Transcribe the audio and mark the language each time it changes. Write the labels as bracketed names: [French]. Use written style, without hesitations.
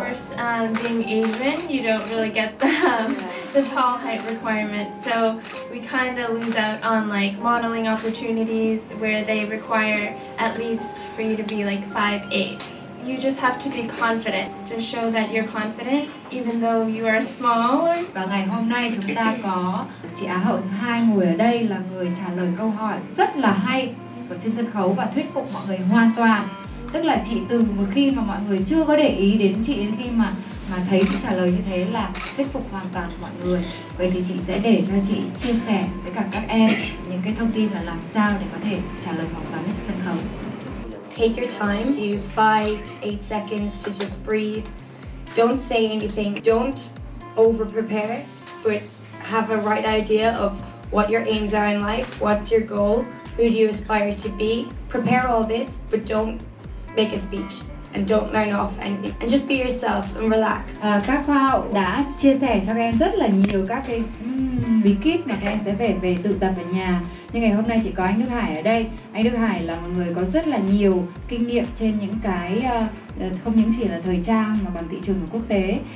[English] Of course, being Asian, you don't really get the tall height requirement, so we kind of lose out on like modeling opportunities where they require at least for you to be like 5'8". You just have to be confident. Just show that you're confident, even though you are small. [Vietnamese] Và ngày hôm nay chúng ta có chị Á Hậu thứ hai ngồi ở đây là người trả lời câu hỏi rất là hay ở trên sân khấu và thuyết phục mọi người hoàn toàn. Tức là chị từ một khi mà mọi người chưa có để ý đến chị đến khi mà thấy chị trả lời như thế là thuyết phục hoàn toàn mọi người. Vậy thì chị sẽ để cho chị chia sẻ với cả các em những cái thông tin là làm sao để có thể trả lời phỏng vấn trên sân khấu. [English] Take your time, you 5-8 seconds to just breathe. Don't say anything, don't over prepare, but have a right idea of what your aims are in life, what's your goal, who do you aspire to be. Prepare all this, but don't make a speech and don't learn off anything. And just be yourself and relax. [Vietnamese] Các khoa hậu đã chia sẻ cho các em rất là nhiều các cái bí kíp mà các em sẽ phải về tự tập ở nhà. Nhưng ngày hôm nay chỉ có anh Đức Hải ở đây. Anh Đức Hải là một người có rất là nhiều kinh nghiệm trên những cái không những chỉ là thời trang mà còn thị trường của quốc tế.